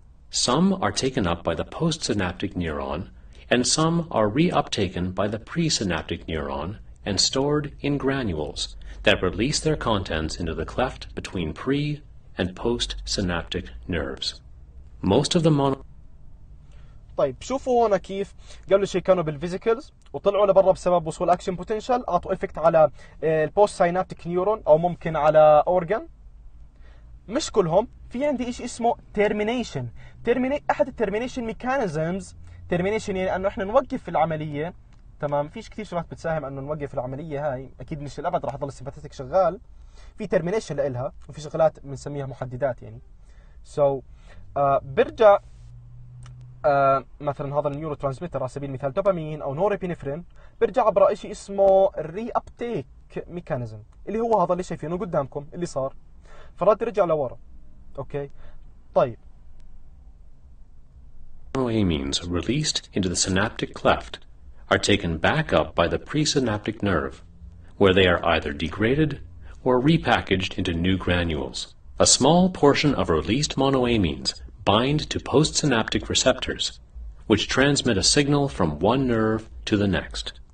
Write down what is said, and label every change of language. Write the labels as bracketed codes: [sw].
[en] Some are taken up by the postsynaptic neuron, and some are reuptaken by the presynaptic neuron and stored in granules that release their contents into the cleft between pre- and postsynaptic nerves. Most of the mono [ar] طيب شوفوا هنا كيف قبل شيء كانوا بالفيزيكلز وطلعوا لبرا بسبب وصول اكشن بوتنشال، اعطوا افكت على البوست سيناتيك نيورون او ممكن على اورجان. مش كلهم، في عندي شيء اسمه تيرمينيشن. احد التيرمينيشن ميكانيزمز، تيرمينيشن يعني انه احنا نوقف العمليه، تمام؟ فيش كثير شغلات بتساهم انه نوقف العمليه هاي، اكيد مش للابد راح يضل السيمباثيتك شغال، في تيرمينيشن لها، وفي شغلات بنسميها محددات يعني. سو برجع مثلا هذا النيورو ترانسميتر على سبيل المثال دوبامين او نوربينفرين، برجع عبر شيء اسمه الري ابتيك ميكانيزم، اللي هو هذا اللي شايفينه قدامكم اللي صار، فرد رجع لورا. اوكي طيب، [en] amines released into the synaptic cleft are taken back up by the presynaptic nerve, where they are either degraded or repackaged into new granules. A small portion of released monoamines bind to postsynaptic receptors, which transmit a signal from one nerve to the next.